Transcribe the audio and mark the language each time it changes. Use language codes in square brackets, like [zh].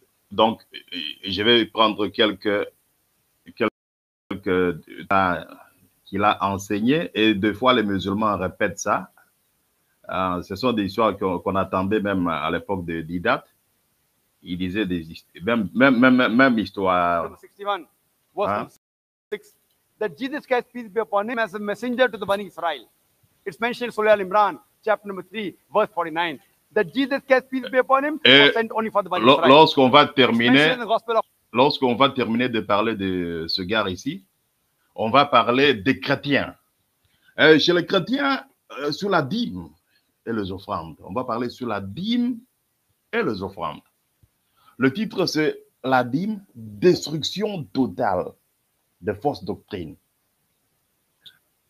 [fr] Donc, je vais prendre quelques qu'il a enseigné et des fois les musulmans répètent ça. Ce sont des histoires qu'on attendait même à l'époque de Didat. Il disait des même histoire. [en] 61, verse 6, that Jesus Christ, peace be upon him, as a messenger to the Bani Israel. It's mentioned in Surah Al-Imran, chapter number 3, verse 49, that Jesus Christ, peace be upon him, was sent only for the Bani Israel. [fr] Lorsqu'on va terminer de parler de ce gars ici, on va parler des chrétiens. Chez les chrétiens, sur la dîme et les offrandes. On va parler sur la dîme et les offrandes. Le titre, c'est « La dîme, destruction totale de fausses doctrines ».